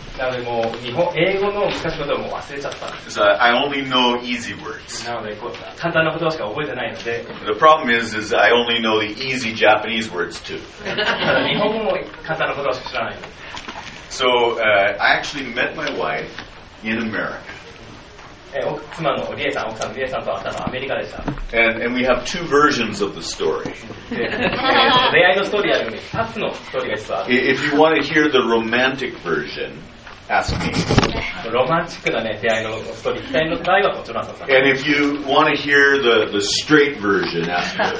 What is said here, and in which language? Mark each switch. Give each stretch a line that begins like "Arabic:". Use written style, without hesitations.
Japanese: なのでもう日本英語の難しいことはもう忘れちゃった。
English: So I only know easy words.
Japanese: なので簡単な言葉しか覚えてないので。
English: The problem is I only know the easy Japanese words too.
Japanese: ただ日本語も簡単な言葉しか知らない。
English: So I actually met my wife in America. And we have two versions of the story. If you want to hear the romantic version, ask me. And if you want to hear the straight version, ask